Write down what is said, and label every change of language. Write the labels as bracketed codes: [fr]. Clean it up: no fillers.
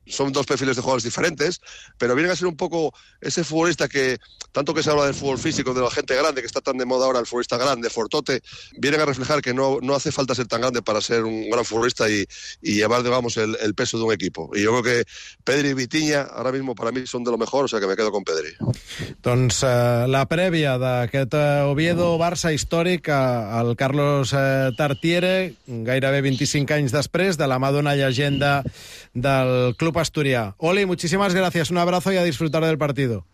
[es] Son dos perfiles de jugadores diferentes, pero vienen a ser un poco ese futbolista que, tanto que se habla del fútbol físico, de la gente grande, que está tan de moda ahora el futbolista grande, fortote, vienen a reflejar que no hace falta ser tan grande para ser un gran futbolista y llevar, digamos, el peso de un equipo. Y yo creo que Pedri y Vitinha ahora mismo para mí son de lo mejor, o sea que me quedo con Pedri. [ca] Doncs la prèvia d'aquest Oviedo-Barça històric al Carlos Tartiere, gairebé 25 anys després, de la Madonna [es] leyenda del [ca] Club Asturià. [es] Oli, muchísimas gracias. Un abrazo y a disfrutar del partido.